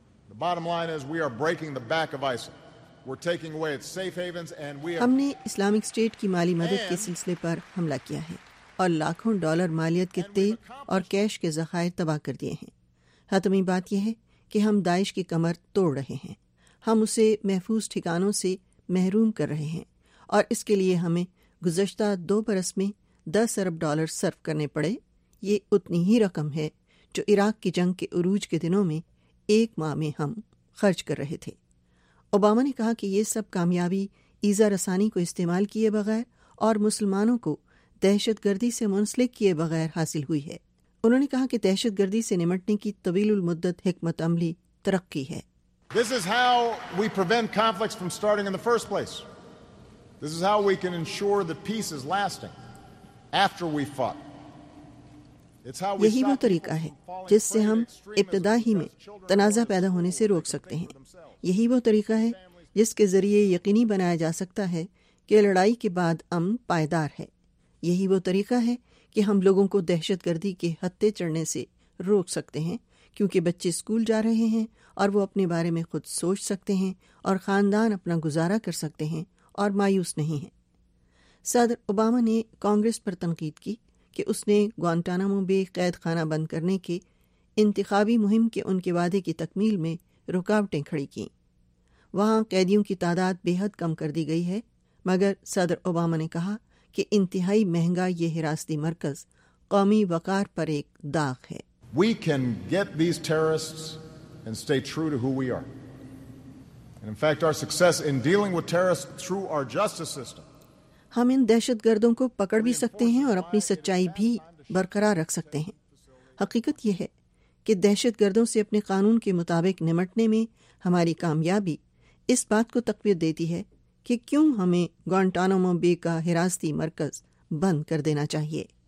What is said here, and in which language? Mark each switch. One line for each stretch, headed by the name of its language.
English: The bottom line is we are breaking the back of ISIL. We're taking away its safe havens and we have...
Urdu: ہم نے Islamic state کی مالی مدد کے سلسلے پر حملہ کیا ہے اور لاکھوں ڈالر مالیت کے تیل اور کیش کے ذخائر تباہ کر دیے ہیں. حتمی بات یہ ہے کہ ہم داعش کی کمر توڑ رہے ہیں, ہم اسے محفوظ ٹھکانوں سے محروم کر رہے ہیں, اور اس کے لیے ہمیں گزشتہ دو برس میں $10 ارب صرف کرنے پڑے. یہ اتنی ہی رقم ہے جو عراق کی جنگ کے عروج کے دنوں میں ایک ماہ میں ہم خرچ کر رہے تھے. اوباما نے کہا کہ یہ سب کامیابی ایزا رسانی کو استعمال کیے بغیر اور مسلمانوں کو دہشت گردی سے منسلک کیے بغیر حاصل ہوئی ہے. انہوں نے کہا کہ دہشت گردی سے نمٹنے کی طویل المدت حکمت عملی ترقی ہے.
English: This is how we prevent conflicts from starting in the first place. This is how we can ensure that peace is lasting after we fought.
Urdu: یہی وہ طریقہ ہے جس سے ہم ابتدا ہی میں تنازع پیدا ہونے سے روک سکتے ہیں. یہی وہ طریقہ ہے جس کے ذریعے یقینی بنایا جا سکتا ہے کہ لڑائی کے بعد امن پائیدار ہے. یہی وہ طریقہ ہے کہ ہم لوگوں کو دہشت گردی کے ہتے چڑھنے سے روک سکتے ہیں, کیونکہ بچے اسکول جا رہے ہیں اور وہ اپنے بارے میں خود سوچ سکتے ہیں اور خاندان اپنا گزارا کر سکتے ہیں اور مایوس نہیں ہیں. صدر اوباما نے کانگریس پر تنقید کی کہ اس نے گوانٹانامو بے قید خانہ بند کرنے کے انتخابی مہم کے ان کے وعدے کی تکمیل میں رکاوٹیں کھڑی کیں. وہاں قیدیوں کی تعداد بے حد کم کر دی گئی ہے, مگر صدر اوباما نے کہا کہ انتہائی مہنگا یہ حراستی مرکز قومی وقار پر ایک داغ ہے.
English: We can get these terrorists and stay true to who we are. And in fact, our success in dealing with terrorists through our justice system.
Urdu: ہم ان دہشت گردوں کو پکڑ بھی سکتے ہیں اور اپنی سچائی بھی برقرار رکھ سکتے ہیں. حقیقت یہ ہے کہ دہشت گردوں سے اپنے قانون کے مطابق نمٹنے میں ہماری کامیابی اس بات کو تقویت دیتی ہے کہ کیوں ہمیں گوانٹانامو بے کا حراستی مرکز بند کر دینا چاہیے.